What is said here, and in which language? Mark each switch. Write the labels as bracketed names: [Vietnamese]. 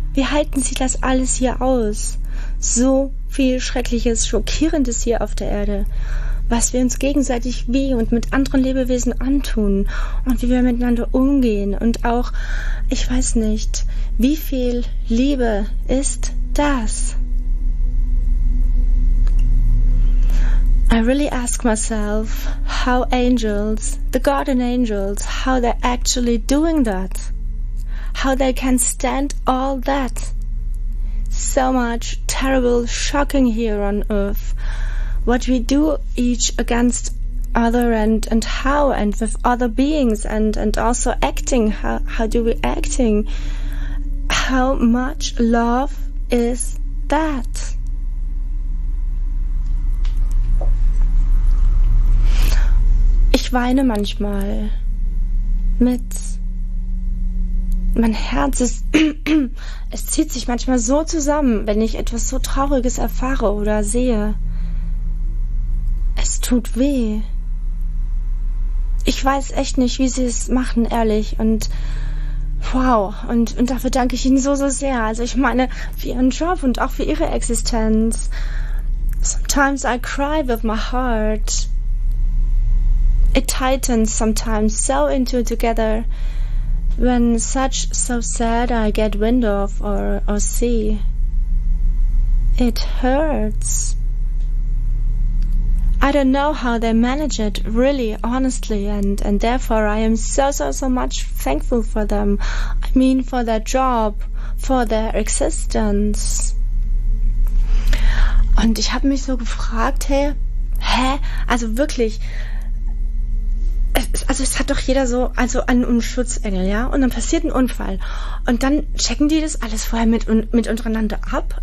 [German] Wie halten sie das alles hier aus? So viel Schreckliches, Schockierendes hier auf der Erde. Was wir uns gegenseitig wie und mit anderen Lebewesen antun und wie wir miteinander umgehen und auch, ich weiß nicht, wie viel Liebe ist das? [English] I really ask myself how angels, the garden angels, how they're actually doing that. How they can stand all that. So much terrible, shocking here on Earth. What we do each against other and how and with other beings and also acting. How do we acting? How much love is that? [German] Ich weine manchmal mit. Mein Herz ist, es zieht sich manchmal so zusammen, wenn ich etwas so Trauriges erfahre oder sehe. Es tut weh. Ich weiß echt nicht, wie sie es machen, ehrlich. Und wow, und dafür danke ich ihnen so, so sehr. Also ich meine, für ihren Job und auch für ihre Existenz. [English] Sometimes I cry with my heart. It tightens sometimes so into together when such so sad I get wind of or see. It hurts. I don't know how they manage it, really, honestly, and therefore I am so, so, so much thankful for them. I mean, for their job, for their existence. [German] Und ich habe mich so gefragt, hä? Also wirklich, es hat doch jeder so, also einen Schutzengel, ja? Und dann passiert ein Unfall. Und dann checken die das alles vorher mit untereinander ab.